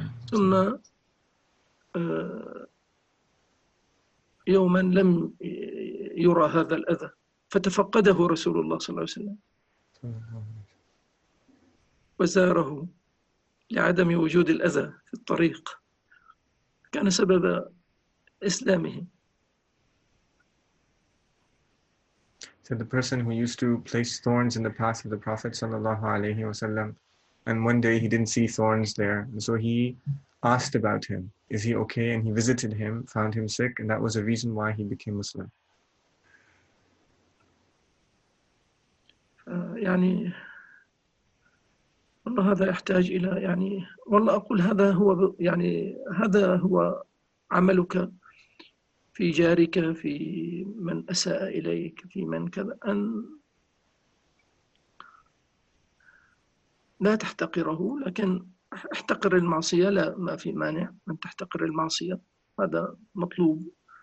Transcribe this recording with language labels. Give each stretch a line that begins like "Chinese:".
Arabic: ثم يوما لم يرى هذا الأذى، فتفقده رسول الله صلى الله عليه وسلم. وزاره لعدم وجود الأذى في الطريق، كان سبب إسلامه.
English: So the person who used to place thorns in the path of the Prophet sallallahu alaihi wasallam, and one day he didn't see thorns there, and so he asked about him, is he okay? And he visited him, found him sick, and that was a reason why he became Muslim.
Arabic: يعني والله هذا يحتاج إلى يعني والله أقول هذا هو يعني هذا هو عملك في جارك، في من أساء إليك، في من كذا، أن لا تحتقره، لكن احتقر المعصية، لا ما في مانع أن تحتقر المعصية، هذا مطلوب.